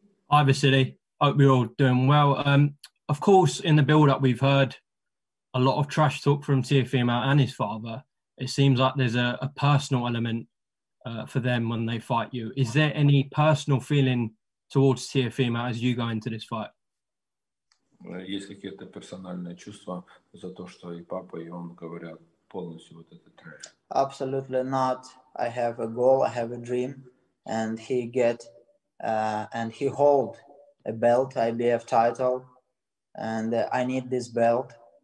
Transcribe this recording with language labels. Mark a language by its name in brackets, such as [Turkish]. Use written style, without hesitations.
[English] Hi, Vasily. Hope you're all doing well. Of course, in the build-up, we've heard a lot of trash talk from Teofimo and his father. It seems like there's a personal element for them when they fight you. Is there any personal feeling towards Teofimo as you go into this fight? [Russian] Есть какие-то персональные чувства за то, что и папа, и он говорят полностью вот этот трэш? [English] Absolutely not. I have a goal, I have a dream, and he get and he hold a belt, IBF title, and I need this belt.